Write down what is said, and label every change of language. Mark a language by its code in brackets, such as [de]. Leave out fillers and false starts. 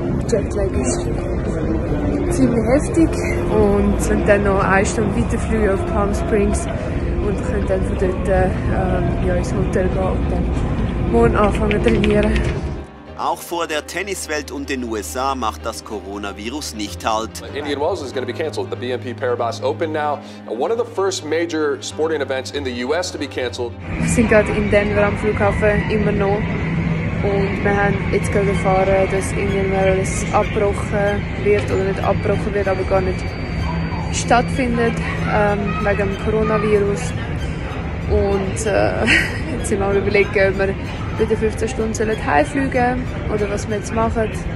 [de] Jetlag ist ziemlich heftig und sind dann noch eine Stunde weiterfliegen auf Palm Springs und können dann von dort ins Hotel gehen und dann morgen anfangen zu trainieren. Auch vor der Tenniswelt und den USA macht das Coronavirus nicht Halt. [en] Indian Wells is going to be canceled. The BNP Paribas Open now. One of the first major sporting events in the US to be canceled. [de] Wir sind gerade in Denver am Flughafen, immer noch. Und wir haben jetzt gerade erfahren, dass Indian Wells abgebrochen wird oder nicht abgebrochen wird, aber gar nicht stattfindet wegen dem Coronavirus. Und jetzt sind wir am überlegen, ob wir wieder 15 Stunden sollen heimfliegen oder was wir jetzt machen.